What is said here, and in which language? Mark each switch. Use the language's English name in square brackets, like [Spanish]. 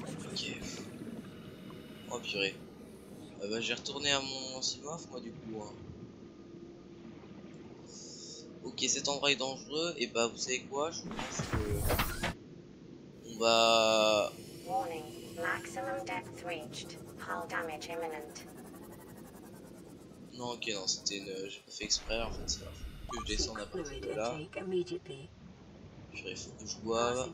[French] Ok. Oh, purée. Bah, j'ai retourné à mon Simov, moi, du coup, hein. Ok, cet endroit est dangereux, et bah vous savez quoi, je pense que... On va... [English] Warning, maximum depth reached. Hull damage imminent. [French] Non, ok, non, c'était une... J'ai pas fait exprès, en fait, c'est pas... Faut que je descende à partir de là. Purée, faut que je boive.